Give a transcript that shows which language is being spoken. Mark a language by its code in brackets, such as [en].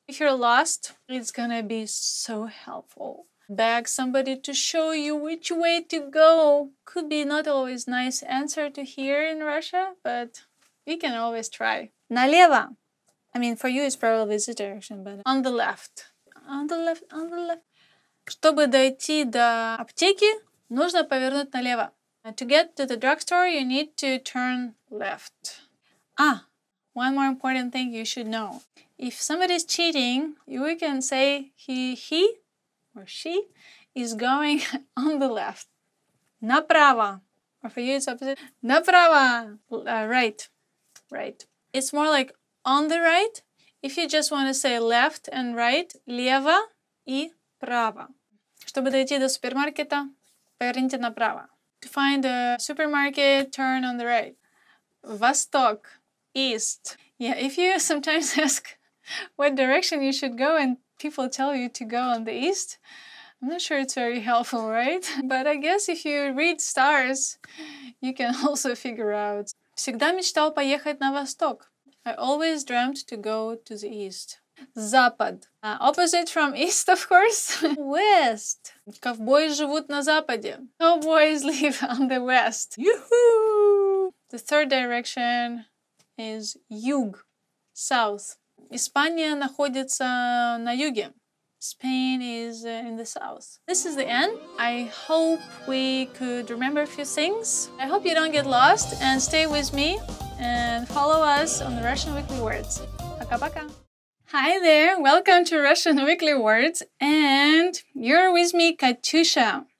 [en] If you're lost, it's gonna be so helpful. Beg somebody to show you which way to go. Could be not always nice answer to hear in Russia, but we can always try. [ru] Налево. [en] I mean, for you it's probably this direction, but on the left. On the left, on the left. [ru] Чтобы дойти до аптеки, нужно повернуть налево. [en] To get to the drugstore, you need to turn left. Ah, one more important thing you should know. If somebody is cheating, we can say he. Or she is going on the left. [ru] Направо. [en] Or for you it's opposite. Направо. Right. Right. It's more like on the right. If you just want to say left and right. [ru] Лево и право. Чтобы дойти до супермаркета, поверните направо. [en] To find a supermarket, turn on the right. [ru] Восток. East. [en] Yeah, if you sometimes ask what direction you should go and people tell you to go on the east. I'm not sure it's very helpful, right? But I guess if you read stars, you can also figure out. [ru] Всегда мечтал поехать на восток. [en] I always dreamt to go to the east. [ru] Запад. [en] Opposite from east, of course. West. [ru] Ковбои живут на западе. [en] Cowboys live on the west. Yoo-hoo! The third direction is юг. South. [ru] Испания находится на юге. [en] Spain is in the south. This is the end. I hope we could remember a few things. I hope you don't get lost and stay with me and follow us on the Russian Weekly Words. [ru] Пока-пока! [en] Hi there! Welcome to Russian Weekly Words and you're with me, Katyusha.